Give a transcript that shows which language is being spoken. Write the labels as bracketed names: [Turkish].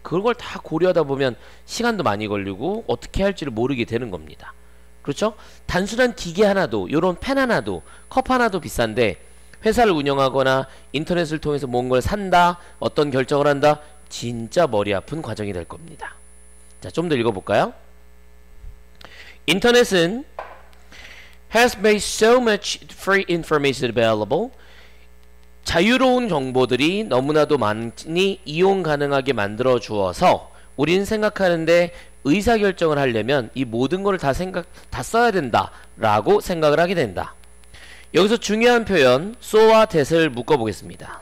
[Korean] 그걸 다 고려하다 보면 시간도 많이 걸리고 어떻게 할지를 모르게 되는 겁니다. 그렇죠? 단순한 기계 하나도, 요런 펜 하나도, 컵 하나도 비싼데 회사를 운영하거나 인터넷을 통해서 뭔가를 산다, 어떤 결정을 한다, 진짜 머리 아픈 과정이 될 겁니다. 자, 좀 더 읽어볼까요? 인터넷은 [English] has made so much free information available. [Korean] 자유로운 정보들이 너무나도 많으니 이용 가능하게 만들어 주어서 우린 생각하는데 의사결정을 하려면 이 모든 걸 다 써야 된다 라고 생각을 하게 된다. 여기서 중요한 표현 so와 that을 묶어보겠습니다.